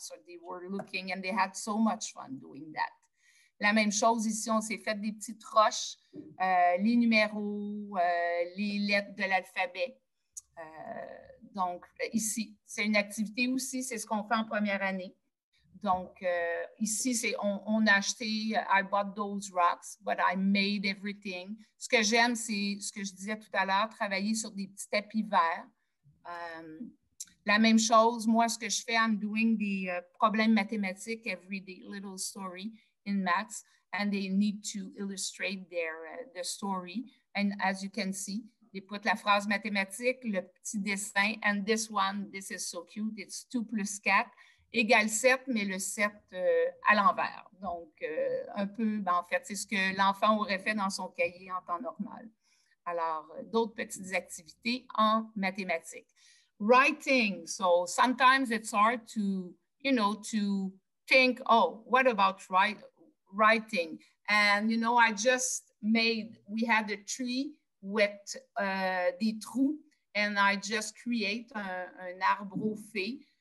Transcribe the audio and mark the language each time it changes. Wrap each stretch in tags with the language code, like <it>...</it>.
<en>So they were looking and they had so much fun doing that.</en> <fr>La même chose ici, on s'est fait des petites roches, les numéros, les lettres de l'alphabet. Donc ici, c'est une activité aussi, c'est ce qu'on fait en première année. Donc, ici, c'est, on a acheté,</fr> <en>I bought those rocks, but I made everything.</en> <fr>Ce que j'aime, c'est ce que je disais tout à l'heure, travailler sur des petits tapis verts. La même chose, moi, ce que je fais,</fr> <en>I'm doing the problèmes mathématiques every day, little story in maths, and they need to illustrate their the story. And as you can see, they put</en> <fr>la phrase mathématique, le petit dessin,</fr> <en>and this one, this is so cute, it's 2 plus 4.</en> <fr>Égale 7, mais le 7 à l'envers. Donc, un peu, ben, en fait, c'est ce que l'enfant aurait fait dans son cahier en temps normal. Alors, d'autres petites activités en mathématiques. Writing.</fr> <en>So, sometimes it's hard to, you know, to think, oh, what about writing? And, you know, I just made, we had a tree with</en> <fr>des trous,</fr> <en>and I just create</en> <fr>un arbre aux fées.</fr>